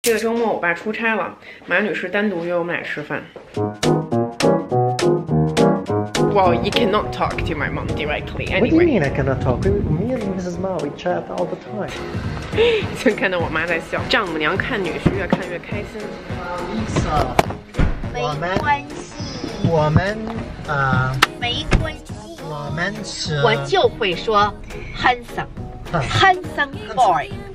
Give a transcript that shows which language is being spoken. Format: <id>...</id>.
<zh>这个周末我爸出差了，马女士单独约我们俩吃饭。</zh> <en>Well, you cannot talk to my mom directly. Anyway. What do you mean I cannot talk? Me and Mrs. Ma, we chat all the time.</en> <zh>先看到我妈在笑，丈母娘看女婿越看越开心。 Lisa, 没关系。没关系。我们是。我就会说</zh> <en>handsome boy.</en>